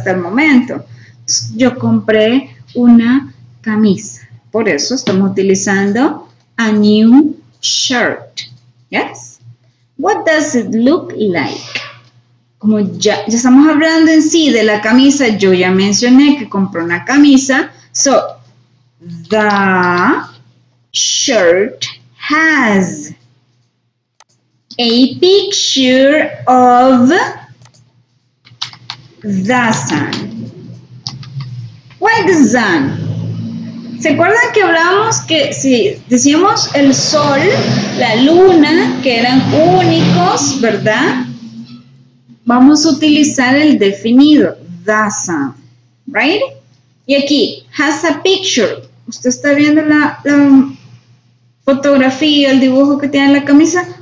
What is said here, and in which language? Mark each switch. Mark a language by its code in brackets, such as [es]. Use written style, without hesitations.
[es] Hasta el momento. Yo compré una camisa. Por eso estamos utilizando [en] a new shirt. Yes? What does it look like? [es] Como ya estamos hablando en sí de la camisa, yo ya mencioné que compré una camisa. [en] So, the shirt has a picture of the sun. Why the sun? [es] ¿Se acuerdan que hablábamos que si decíamos el sol, la luna, que eran únicos, ¿verdad? Vamos a utilizar el definido, the sun, right? Y aquí, [en] has a picture. [es] ¿Usted está viendo la fotografía, el dibujo que tiene en la camisa?